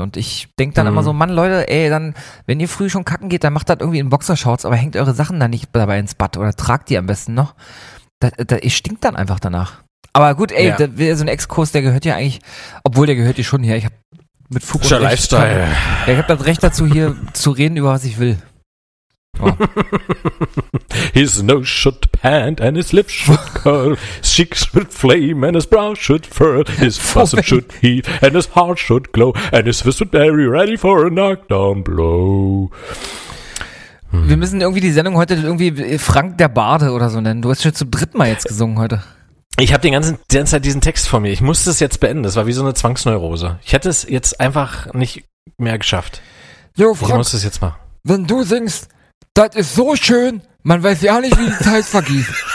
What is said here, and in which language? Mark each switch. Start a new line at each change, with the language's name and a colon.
German: Und ich denke dann immer so, Mann, Leute, ey, dann, wenn ihr früh schon kacken geht, dann macht das irgendwie in Boxershorts, aber hängt eure Sachen dann nicht dabei ins Bad oder tragt die am besten noch. Ich stink dann einfach danach. Aber gut, ey, ja, so ein Exkurs, der gehört ja eigentlich, obwohl der gehört ja schon hier, ich habe mit Fug und Recht, Lifestyle. Ja, ich habe das Recht dazu, hier zu reden, über was ich will. Oh.
English: His nose should pant and his lips should curl. His cheeks should flame and his brow should furl. His bosom should heave and his heart should glow. And his fist would be ready for a knockdown blow.
German: Wir müssen irgendwie die Sendung heute irgendwie Frank der Barde oder so nennen. Du hast schon zum dritten Mal jetzt gesungen heute. Ich habe die ganze Zeit diesen Text vor mir. Ich musste es jetzt beenden. Das war wie so eine Zwangsneurose. Ich hätte es jetzt einfach nicht mehr geschafft. Jo, Frank, ich muss es jetzt mal. Wenn du singst, das ist so schön, man weiß ja nicht, wie die Zeit vergeht.